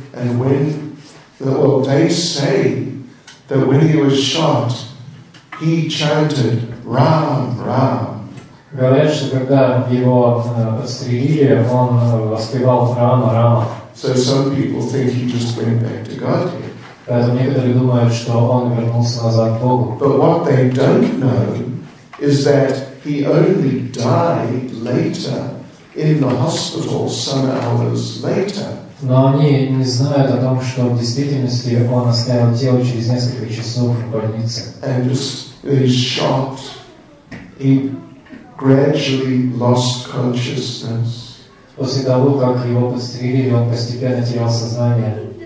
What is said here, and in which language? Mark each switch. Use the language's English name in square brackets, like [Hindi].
[English] And when, well, they say that when he was shot, he chanted Ram, Ram. [Russian] Говорят, что когда его подстрелили, он воспевал Рама, Рама. [English] So some people think he just went back to Godhead. [Russian] Поэтому некоторые думают, что он вернулся назад к Богу. [English] But what they don't know is that he only died later in the hospital some hours later. [Russian] Но они не знают о том, что в действительности он оставил тело через несколько часов в больнице. [English] And he's shot. He gradually lost consciousness. [Russian] После того, как его подстрелили, он постепенно терял сознание.